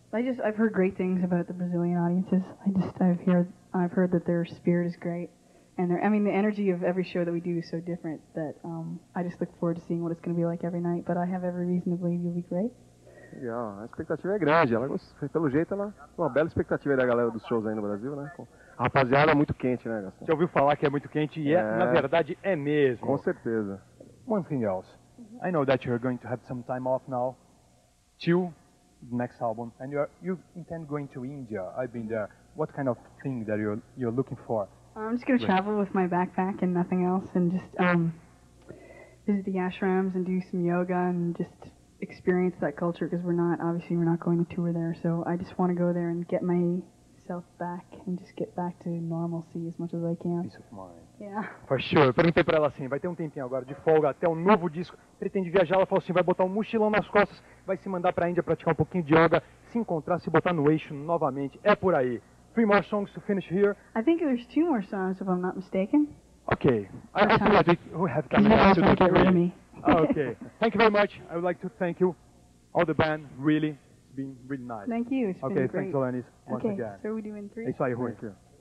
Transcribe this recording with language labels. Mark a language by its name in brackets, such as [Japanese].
[English] I've heard great things about the Brazilian audiences. I've heard that their spirit is great, and the energy of every show that we do is so different that I just look forward to seeing what it's going to be like every night. But I have every reason to believe you'll be great. [Portuguese] Yeah, a expectativa é grande. Ela, pelo jeito, ela uma bela expectativa aí da galera dos shows aí no Brasil, né? A rapaziada é muito quente, né, Gaston? Você ouviu falar que é muito quente e na verdade é mesmo. Com certeza. [English] One thing else, I know that you're going to have some time off now, till next album, and you intend going to India. I've been there. What kind of thing that you're looking for? I'm just going to travel with my backpack and nothing else, and just visit the ashrams and do some yoga and just experience that culture, because we're not going to tour there, so I just want to go there and get myself back and just get back to normalcy as much as I can. Peace of mind. Yeah. For sure. [Portuguese] Perguntei para ela assim, vai ter um tempinho agora de folga até o novo disco. Pretende viajar, ela falou assim, vai botar um mochilão nas costas, vai se mandar para a Índia praticar um pouquinho de yoga, se encontrar, se botar no eixo novamente. É por aí. [English] Three more songs to finish here. I think there's two more songs, if I'm not mistaken. Okay. Okay. Thank you very much. I would like to thank you, all the band, really. It's been really nice. Thank you. It's okay, been great. Okay, thanks, Alanis, once okay, again. Okay, so are we doing three? It's like, thank you.